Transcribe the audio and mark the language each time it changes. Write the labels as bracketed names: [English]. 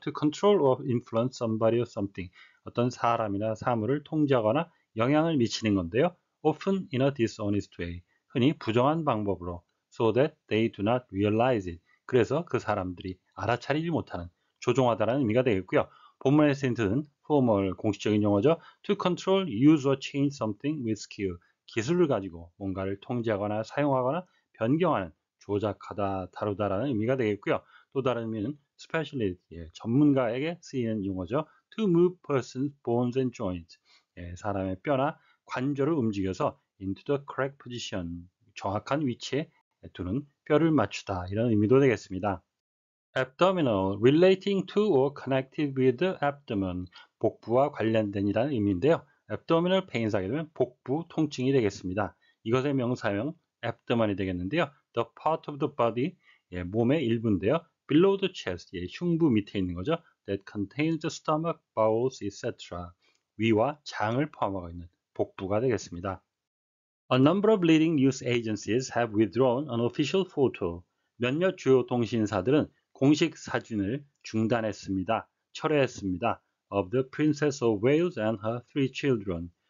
[English] To control or influence somebody or something. [Korean] 어떤 사람이나 사물을 통제하거나 영향을 미치는 건데요. [English] Often in a dishonest way, [Korean] 흔히 부정한 방법으로. [English] So that they do not realize it. [Korean] 그래서 그 사람들이 알아차리지 못하는, 조종하다라는 의미가 되겠고요. 본문의 센트는 formal, 공식적인 용어죠. [English] To control, use or change something with skill. [Korean] 기술을 가지고 뭔가를 통제하거나 사용하거나 변경하는, 조작하다, 다루다라는 의미가 되겠고요. 또 다른 의미는 specialist, 예, 전문가에게 쓰이는 용어죠. [English] To move person's bones and joints. [Korean] 예, 사람의 뼈나 관절을 움직여서 [English] into the correct position, [Korean] 정확한 위치에 두는 뼈를 맞추다, 이런 의미도 되겠습니다. [English] abdominal, relating to or connected with the abdomen, [Korean] 복부와 관련된이라는 의미인데요. abdominal pain이 하게 되면 복부 통증이 되겠습니다. 이것의 명사형 abdomen이 되겠는데요. [English] the part of the body, [Korean] 예, 몸의 일부인데요. [English] below the chest, [Korean] 예, 흉부 밑에 있는 거죠. [English] that contains the stomach, bowels, etc. [Korean] 위와 장을 포함하고 있는 복부가 되겠습니다. [English] A number of leading news agencies have withdrawn an official photo. [Korean] 몇몇 주요 통신사들은 공식 사진을 중단했습니다. 철회했습니다. [English] Of the Princess of Wales and her three children.